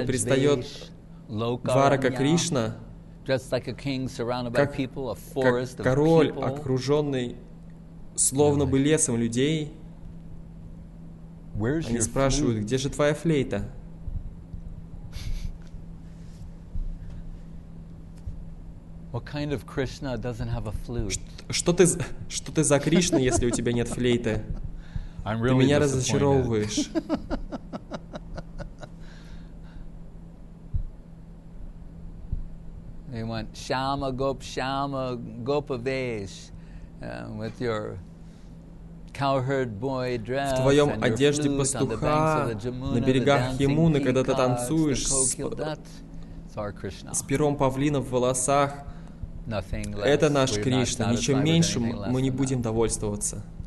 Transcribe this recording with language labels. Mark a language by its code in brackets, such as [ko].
[ru] ней предстает Дварака Кришна, как король, окруженный словно бы лесом людей, они спрашивают, где же твоя флейта? [en] What kind of Krishna doesn't have a flute? [ru] Что ты за Кришна, если у тебя нет флейты? [en] Really, [ru] ты меня разочаровываешь. [en] You want Shama Gop Shama Gopavesh with your cowherd boy dress, [ru] в твоем одежде пастуха, на берегах Ямуны, когда ты танцуешь с пером павлина в волосах, это наш Кришна. Ничем меньшим мы не будем довольствоваться.